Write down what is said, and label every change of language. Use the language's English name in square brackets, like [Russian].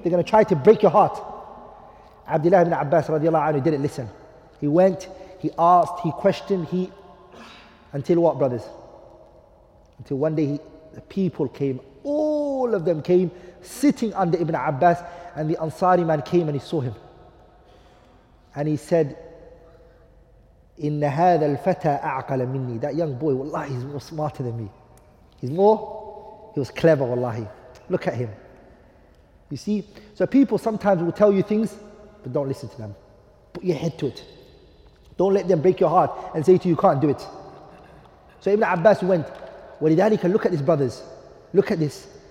[English] They're going to try to break your heart. Abdullah ibn Abbas radiallahu anhu didn't listen. He went, he asked, he questioned, he... Until what, brothers? Until one day, the people came, all of them came, sitting under Ibn Abbas, and the Ansari man came and he saw him. And he said, [Arabic] إِنَّ هَذَا الْفَتَى أَعْقَلَ مِنِّي. [English] That young boy, wallahi, he's more smarter than me. He was clever, wallahi. Look at him. You see? So people sometimes will tell you things, but don't listen to them. Put your head to it. Don't let them break your heart and say to you, you can't do it. So Ibn Abbas went, وَلِذَلِكَ look at these brothers. Look at this.